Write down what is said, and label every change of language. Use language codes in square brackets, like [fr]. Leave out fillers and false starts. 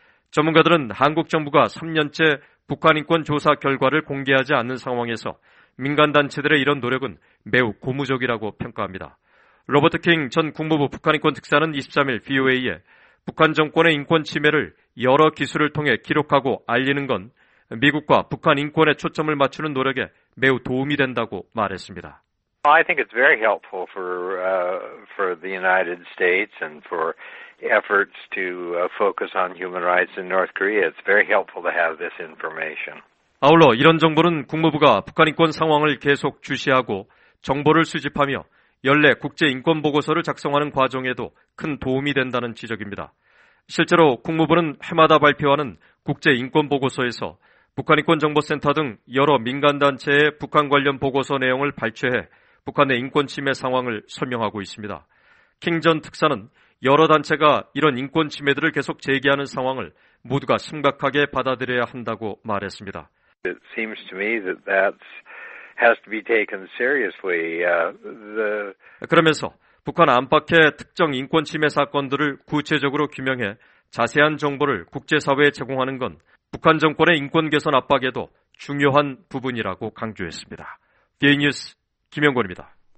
[ko] 전문가들은 한국 정부가 3년째 북한인권조사 결과를 공개하지 않는 상황에서 민간단체들의 이런 노력은 매우 고무적이라고 평가합니다. 로버트 킹 전 국무부 북한인권특사는 23일 VOA에 북한 정권의 인권 침해를 여러 기술을 통해 기록하고 알리는 건 미국과 북한 인권에 초점을 맞추는 노력에 매우 도움이 된다고 말했습니다. [en] I think it's very helpful for the United States and for efforts to focus on human rights in North Korea. It's very helpful to have this information. [ko] 아울러 이런 정보는 국무부가 북한 인권 상황을 계속 주시하고 정보를 수집하며 연례 국제 인권 보고서를 작성하는 과정에도 큰 도움이 된다는 지적입니다. 실제로 국무부는 해마다 발표하는 국제 인권 보고서에서 북한 인권 정보센터 등 여러 민간 단체의 북한 관련 보고서 내용을 발췌해 북한 내 인권 침해 상황을 설명하고 있습니다. 킹 전 특사는 여러 단체가 이런 인권 침해들을 계속 제기하는 상황을 모두가 심각하게 받아들여야 한다고 말했습니다. [en] It seems to me that that has to be taken seriously. [ko] 그러면서 북한 안팎의 특정 인권 침해 사건들을 구체적으로 규명해 자세한 정보를 국제사회에 제공하는 건 북한 정권의 인권 개선 압박에도 중요한 부분이라고 강조했습니다. VOA 뉴스 김영권입니다.